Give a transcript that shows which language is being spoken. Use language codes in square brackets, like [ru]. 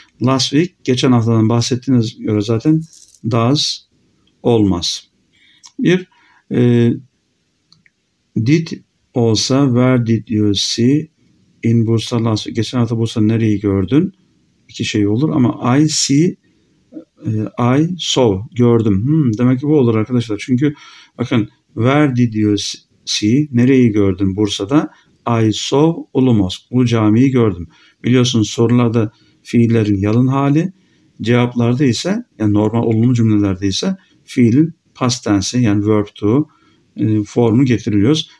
[en] Last week, [tr] geçen haftadan bahsettiğiniz göre zaten does olmaz. Bir, [en] did [tr] olsa [en] where did you see in Bursa last week? [tr] Geçen hafta Bursa nereyi gördün? İki şey olur ama [en] I see, I saw, [tr] gördüm. Demek ki bu olur arkadaşlar. Çünkü bakın [en] where did you see, [tr] nereyi gördün Bursa'da? [en] I saw Ulu Mosque, [tr] Ulu Cami'yi gördüm. Biliyorsunuz sorularda fiillerin yalın hali, cevaplarda ise, yani normal olumlu cümlelerde ise fiilin past tense, yani [en] verb to [tr] formu getiriliyoruz.